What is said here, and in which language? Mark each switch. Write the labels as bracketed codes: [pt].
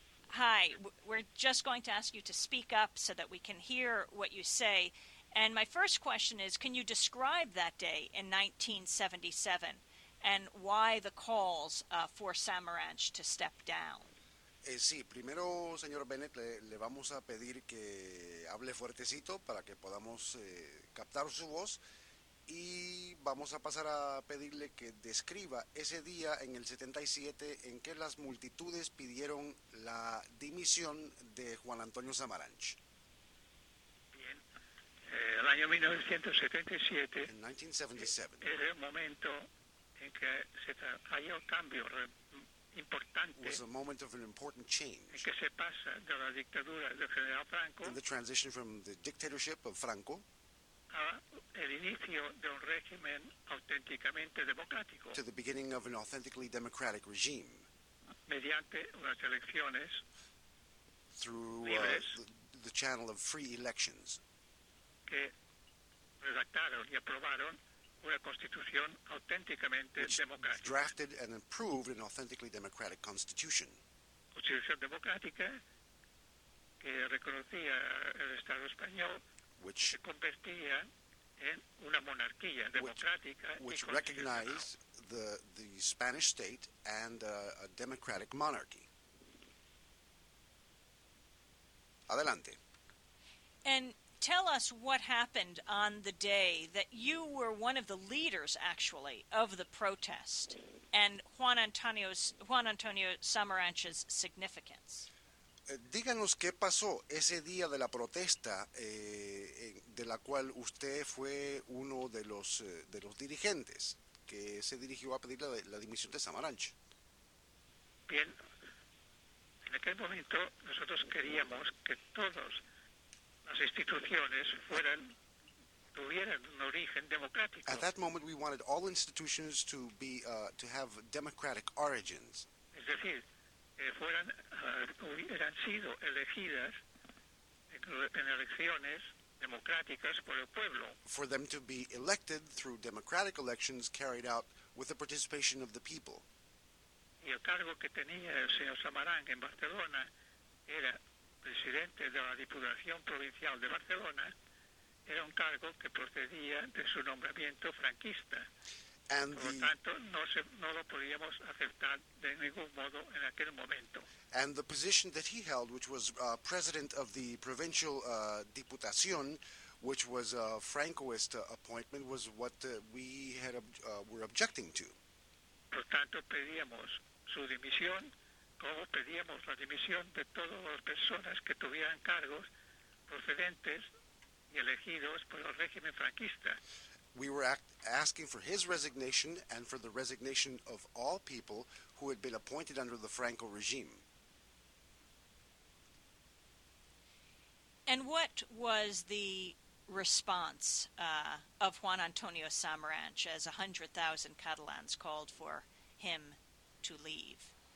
[en] Hi, we're just going to ask you to speak up so that we can hear what you say. And my first question is, can you describe that day in 1977? And why the calls for Samaranch to step down? [es] Sí, primero, señor Bennett, le vamos a pedir que hable fuertecito para que podamos captar su voz. Y vamos a pasar a pedirle que describa ese día en el 77 en que las multitudes pidieron la dimisión de Juan Antonio Samaranch. Bien. El año 1977. [en] In 1977. [es] Era el momento en que se haya un cambio importante. [en] Was a moment of an important change. [es] En que se pasa de la dictadura del general Franco. [en] In the transition from the dictatorship of Franco. [es] A el inicio de un régimen auténticamente democrático. [en] To the beginning of an authentically democratic regime. [es] Mediante unas elecciones. [en] Through [es] libres, [en] the channel of free elections. [es] Que redactaron y aprobaron una constitución auténticamente democrática. [en] Drafted and improved an authentically democratic constitution. [es] Constitución democrática que reconocía el Estado español, [en] which [es] se convertía en una monarquía democrática, [en] which recognized the Spanish state and a democratic monarchy. [es] Adelante. [en] And tell us what happened on the day that you were one of the leaders, actually, of the protest, and Juan Antonio Samaranch's significance. [es] Díganos qué pasó ese día de la protesta de la cual usted fue uno de los dirigentes que se dirigió a pedir la dimisión de Samaranch. Bien. En aquel momento nosotros queríamos que todos las instituciones fueran, tuvieran un origen democrático. [en] At that moment, we wanted all institutions to be to have democratic origins. [es] Es decir, fueran hubieran sido elegidas en elecciones democráticas por el pueblo. [en] For them to be elected through democratic elections carried out with the participation of the people. [es] Y el cargo que tenía el señor Samaranch en Barcelona era presidente de la Diputación Provincial de Barcelona, era un cargo que procedía de su nombramiento franquista. [en] And [es] por [en] the, [es] lo tanto, no lo podíamos aceptar de ningún modo en aquel momento. [en] And the position that he held, which was president of the provincial Diputación, which was a Francoist appointment, was what we had were objecting to. [es] Por tanto, pedíamos su dimisión. Como pedíamos la dimisión de todas las personas que tuvieran cargos procedentes y elegidos por el régimen franquista. [en] We were asking for his resignation and for the resignation of all people who had been appointed under the Franco regime. And what was the response of Juan Antonio Samaranch as 100,000 Catalans called for him to leave?